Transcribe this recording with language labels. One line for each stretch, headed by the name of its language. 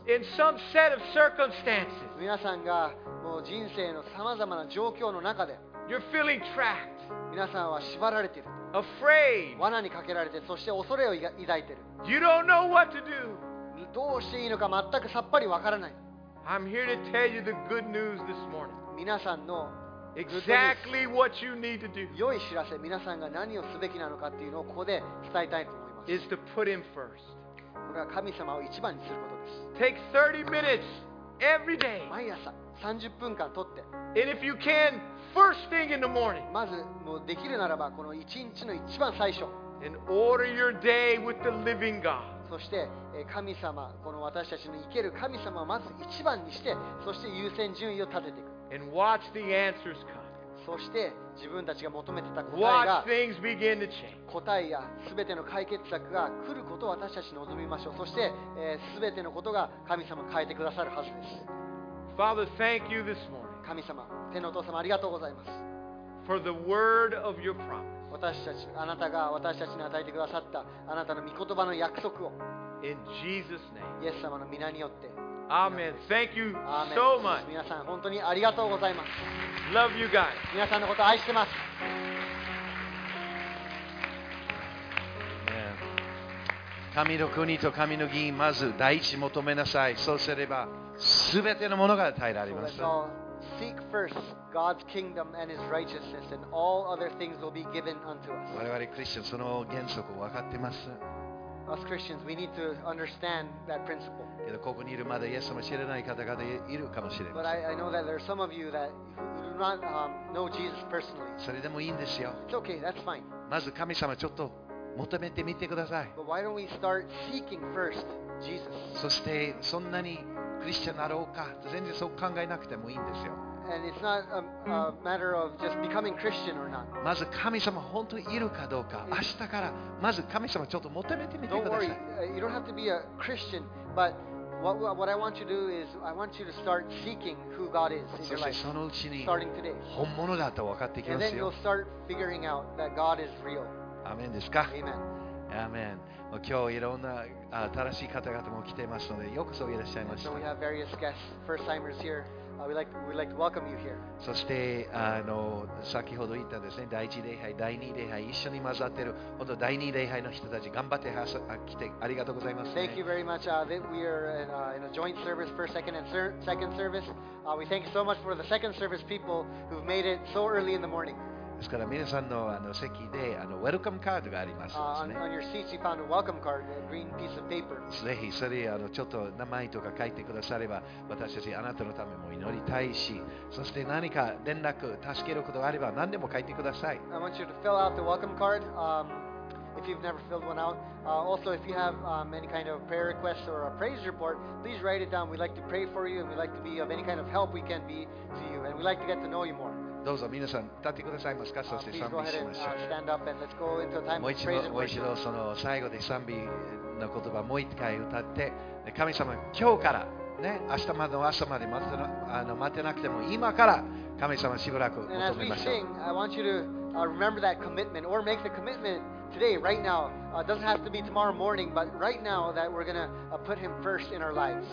English: In some set of circumstances.
Japanese: 皆さんがもう人生のさまざまな状況の中で、
English: You're feeling trapped.
Japanese: 皆さんは縛られている。
English: Afraid.
Japanese: 罠にかけられて、そして恐れを抱いている。
English: You don't know what to do.
Japanese: どうしていいのか全くさっぱりわからない。
English: I'm here to tell you the good news this morning.
Japanese: 皆さんの
English: Exactly what you need to do.
Japanese: 良い知らせ、皆さんが何をすべきなのかっていうのをここで伝えたいと思います。
English: Is to put him first.
Japanese: これは神様を一番にすることです。
English: Take 30 minutes every day.
Japanese: 毎朝30分間取って。
English: And if you can, first thing in the morning.
Japanese: まずもうできるならばこの一日の一番最初。
English: And order your day with the living God.
Japanese: そして神様、この私たちの生ける神様をまず一番にして、そして優先順位を立てていく。
English: And watch the answers come.
Japanese: そして自分たちが求めてた答えが、
English: watch things begin to change.
Japanese: 答えや全ての解決策が来ることを私たち望みましょう。そして、全てのことが神様変えてくださるはずです。
English: Father, thank you this morning.
Japanese: 神様、天のお父様ありがとうございます。
English: For the word of your promise.
Japanese: 私たち、あなたが私たちに与えてくださったあなたの御言葉の約束を。
English: In Jesus' name.
Japanese: イエス様の名によって。
English: Amen. Thank you so much.
Japanese: 皆さん本当にありがとうございます。
English: Love you guys.
Japanese: 皆さんのこと愛してます。
English: Amen.
Japanese: 神の国と神の義まず第一求めなさい。そうすればすべてのものが与えられます。
English: So seek first God's kingdom and His righteousness, and all other things will be given unto us.
Japanese: 我々クリスチャンその原則を分かってます。
English: Us Christians, we need to understand that principle.
Japanese: ここにいるまだイエス様を知らない方々いるかもしれません。
English: But I know that there are some of you that do not know Jesus personally.
Japanese: それでもいいんですよ。
English: It's okay, that's fine.
Japanese: まず神様ちょっと求めてみてください。
English: But why don't we start seeking first Jesus?
Japanese: そしてそんなにクリスチャンになろうか、全然そう考えなくてもいいんですよ。
English: And it's not a matter of just becoming Christian or not.
Japanese: まず神様本当にいるかどうか、明日からまず神様ちょっと求めてみてください。
English: Don't worry, you don't have to be a Christian, but what I want you to do is I want you to start seeking who God is in your life.
Japanese: そしてそのうちに
English: starting today.
Japanese: 本物だと分かってきますよ。
English: And then you'll start figuring out that God is real.
Japanese: アメンですか？
English: Amen.
Japanese: アメン。今日いろんな新しい方々も来ていますので、ようこそいらっしゃいました。
English: So we have various guests, first timers here. We'd like to welcome you here.
Japanese: そしてあの先ほど言ったんですね、第一礼拝、第二礼拝一緒に混ざってる本当第二礼拝の人たち頑張って来てありがとうございます、ね。
English: Thank you very much. We are in a joint service, first, second, and second service. We thank you so much for the second service people who've made it so early in the morning.
Japanese: ですから皆さんのあの席であのウェルカムカードがありますね。
English: On your seat, you found a welcome card, a green piece of paper.
Japanese: ぜひそれあのちょっと名前とか書いてくだされば、私たちあなたのためも祈りたいし、そして何か連絡助けることがあれば何でも書いてください。
English: I want you to fill out the welcome card, if you've never filled one out. Also, if you have any kind of prayer request or a praise report, please write it down. We'd like to pray for you, and we'd like to be of any kind of help we can be to you, and we'd like to get to know you more.
Japanese: どうぞ皆さん立ってくださいますか、そして賛美しましょう。もう一度その最後で賛美の言葉もう一回歌って、神様今日からね、明日までの朝まで待ってな、あの待てなくても今から神様しばらく求めましょう。
English: And as we sing, I want you to remember that commitment or make the commitment today, right now. It doesn't have to be tomorrow morning, but right now that we're going to put him first in our lives.